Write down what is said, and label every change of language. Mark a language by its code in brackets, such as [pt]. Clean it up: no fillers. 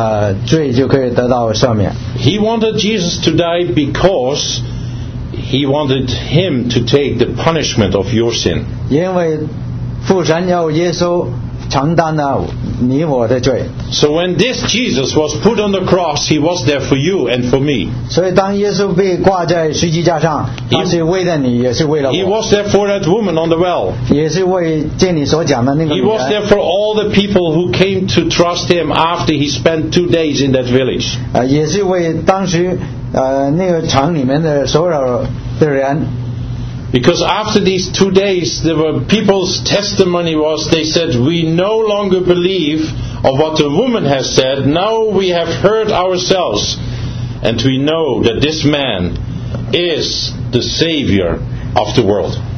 [zh] 原因就是当耶稣死在十字架上的时候，你我的罪就可以得到赦免。 [en] He wanted Jesus to die because he wanted him to take the punishment of your sin. [zh] 因为父神要耶稣 [en] So when this Jesus was put on the cross, he was there for you and for me. [zh] 所以当耶稣被挂在十字架上, [en] he was there for that woman on the well. [zh] 也是为见你所讲的那个女人, [en] he was there for all the people who came to trust him after he spent 2 days in that village. [zh] 也是为当时那个厂里面的所有的人, [en] Because after these 2 days, there were people's testimony was, they said, we no longer believe of what the woman has said. Now we have heard ourselves, and we know that this man is the Savior of the world.